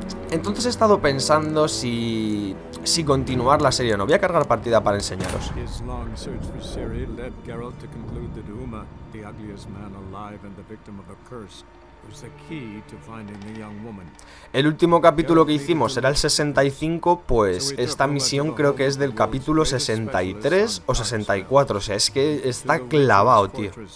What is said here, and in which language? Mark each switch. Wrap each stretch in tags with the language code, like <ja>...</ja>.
<es>Entonces he estado pensando si continuar la serie o no. Voy a cargar partida para enseñaros.</es> <en>His long search for Ciri led Geralt to conclude that Uma, the ugliest man alive and the victim of a curse, was the key to finding the young woman.</en> <es>El último capítulo que hicimos era el 65, pues esta misión creo que es del capítulo 63 o 64, o sea, es que está clavado, tío.</es>